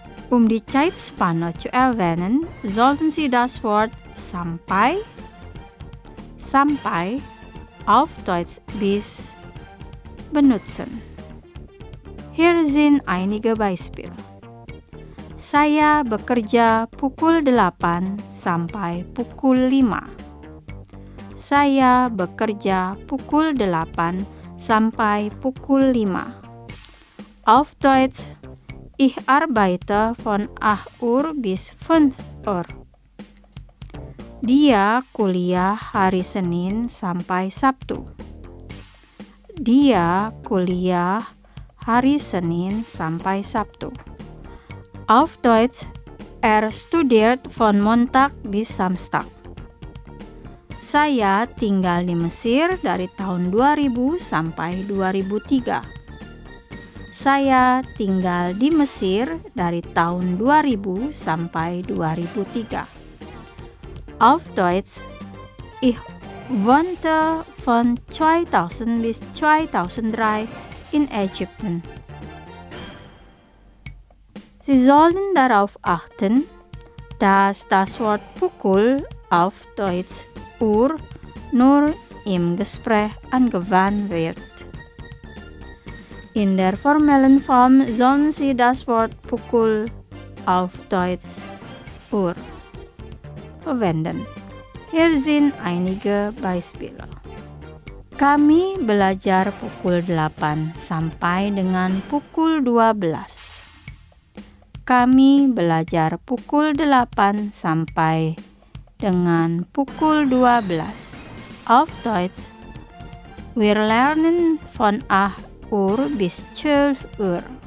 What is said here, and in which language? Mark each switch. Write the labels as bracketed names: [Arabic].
[German] Die Zeitspanne zu erwähnen, sollten Sie das Wort sampai auf Deutsch bis benutzen. Hier sind einige Beispiele. [Indonesian] Saya bekerja pukul 8 sampai pukul 5. Saya bekerja pukul 8 sampai pukul 5. [German] Auf Deutsch: Ich arbeite von 8 Uhr bis 5 Uhr. [Indonesian] Dia kuliah hari Senin sampai Sabtu. Dia kuliah hari Senin sampai Sabtu. [German] Auf Deutsch: studiert von Montag bis Samstag. [Indonesian] Saya tinggal di Mesir dari tahun 2000 sampai 2003. Saya tinggal di Mesir dari tahun 2000 sampai 2003. [German] Auf Deutsch: Ich wohnte von 2000 bis 2003 in Ägypten. Sie sollen darauf achten, dass das Wort Pukul auf Deutsch Uhr nur im Gespräch angewandt wird. In der formellen Form sollen Sie das Wort Pukul auf Deutsch Uhr verwenden. Hier sind einige Beispiele. [Indonesian] Kami belajar pukul 8 sampai dengan pukul 12. Kami belajar pukul 8 sampai dengan pukul 12. [German] Auf Deutsch: Wir lernen von 8 Uhr bis 12 Uhr.